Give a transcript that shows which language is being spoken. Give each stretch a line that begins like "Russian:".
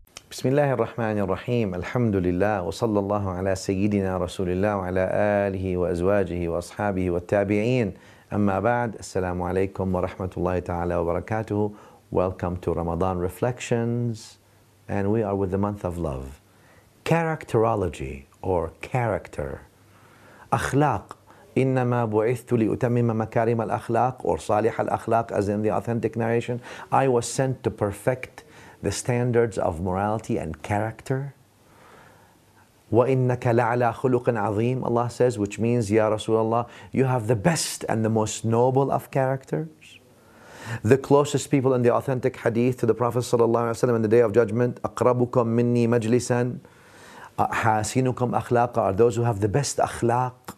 Arabic: بسم الله الرحمن الرحيم، الحمد لله وصلى الله على سيدنا رسول الله وعلى آله وأزواجه وأصحابه والتابعين. أما بعد، السلام عليكم ورحمة الله تعالى وبركاته.
English: Welcome to Ramadan Reflections, and we are with the month of love. Characterology or character.
Arabic: أخلاق. إنما بعثت لأتمم مكارم الأخلاق or صالح الأخلاق
English: as in the authentic narration. I was sent to perfect the standards of morality and character.
Arabic: وَإِنَّكَ لَعْلَى خُلُقٍ عَظِيمٍ,
English: Allah says, which means, Ya Rasulullah, you have the best and the most noble of characters. The closest people in the authentic hadith to the Prophet sallallahu alaihi wasallam in the Day of Judgment,
Arabic: أَقْرَبُكُمْ مِنِّي مَجْلِسًا حَاسِنُكُمْ أَخْلَاقًا,
English: are those who have the best akhlaq.